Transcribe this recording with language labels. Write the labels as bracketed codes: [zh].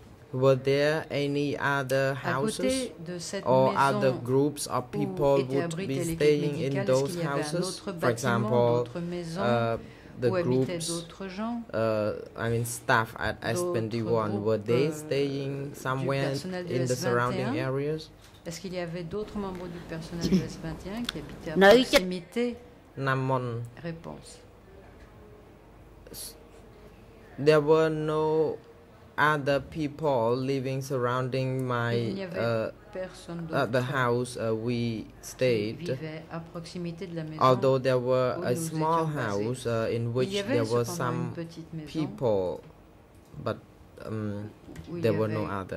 [en] Were there any other houses or other groups of people would be staying in those houses? For example, the groups, I mean staff at S21, were they staying somewhere in the surrounding areas? [fr] Est-ce qu'il y avait d'autres membres du personnel de S21 qui habitaient à proximité? Namon. Réponse. [en] There were no other people living surrounding my the house we stayed. [fr] À proximité de la maison. [en] Although there were a small house in which there were some people, but there were no other.